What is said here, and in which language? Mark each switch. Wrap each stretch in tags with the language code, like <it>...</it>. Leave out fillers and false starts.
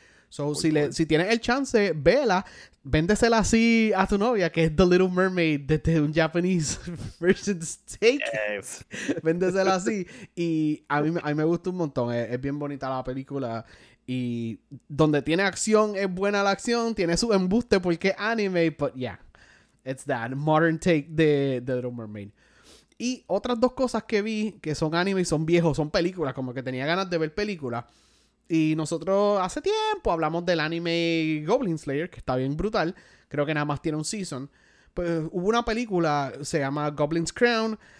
<es>So, si tienes el chance, vela, véndesela así a tu novia, que es The Little Mermaid, desde un</es> <en>Japanese version take. Yes.</en> <es>Véndesela así. Y a mí me gusta un montón. Es bien bonita la película. Y donde tiene acción, es buena la acción. Tiene su embuste porque es anime.</es> <en>But yeah, it's that modern take</en> <es>de</es> <en>The Little Mermaid.</en> <es>Y otras dos cosas que vi, que son anime y son viejos, son películas. Como que tenía ganas de ver películas. Y nosotros hace tiempo hablamos del anime Goblin Slayer, que está bien brutal. Creo que nada más tiene un season. Pues hubo una película, se llama Goblin's Crown.</es>